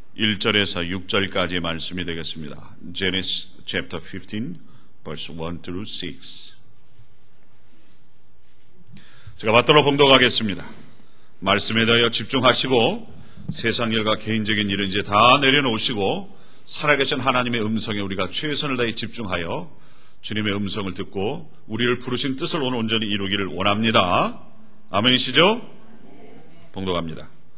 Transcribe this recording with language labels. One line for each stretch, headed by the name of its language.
Korean: 1절에서 6절까지의 말씀이 되겠습니다.
English: Genesis chapter 15, verse 1 through 6.
Korean: 제가 받도록 봉독하겠습니다. 말씀에 대하여 집중하시고 세상 일과 개인적인 일은 이제 다 내려놓으시고 살아계신 하나님의 음성에 우리가 최선을 다해 집중하여 주님의 음성을 듣고 우리를 부르신 뜻을 오늘 온전히 이루기를 원합니다. 아멘이시죠? 봉독합니다.